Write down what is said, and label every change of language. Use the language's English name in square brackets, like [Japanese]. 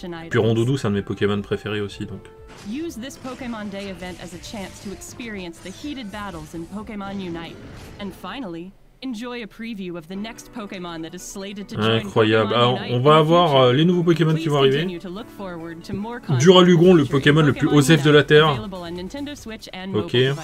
[French] Puis rond doudou, c'est un de mes Pokémon préférés aussi, donc. [English] Use this Pokémon Day event as a chance to experience the heated battles in Pokémon Unite, and finally. Enjoy a preview of the next Pokémon that is slated to join. [French] Incroyable. Alors, on va avoir les nouveaux Pokémon qui vont arriver. Duralugon, le Pokémon le plus OSF de la Terre. Ok.